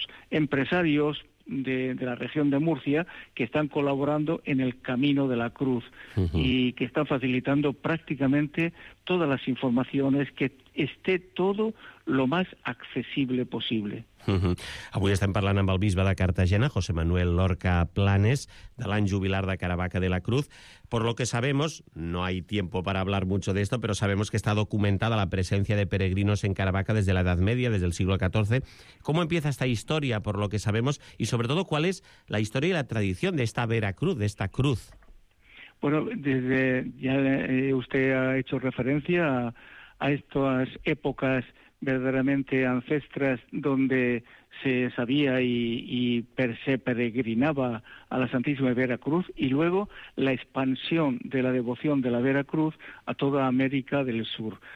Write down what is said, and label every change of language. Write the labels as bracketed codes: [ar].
[es] empresarios de la región de Murcia, que están colaborando en el Camino de la Cruz y que están facilitando prácticamente todas las informaciones, que esté todo lo más accesible posible. [ca] Avui estem parlant amb el bisbe de Cartagena, José Manuel Lorca Planes, de l'any jubilar de Caravaca de la Cruz. [es] Por lo que sabemos, no hay tiempo para hablar mucho de esto, pero sabemos que está documentada la presencia de peregrinos en Caravaca desde la Edad Media, desde el siglo XIV. ¿Cómo empieza esta historia, por lo que sabemos? Y sobre todo, ¿cuál es la historia y la tradición de esta Vera Cruz, de esta cruz? Bueno, desde ya usted ha hecho referencia a estas épocas verdaderamente ancestras, donde se sabía y se peregrinaba a la Santísima Vera Cruz, y luego la expansión de la devoción de la Vera Cruz a toda América del Sur.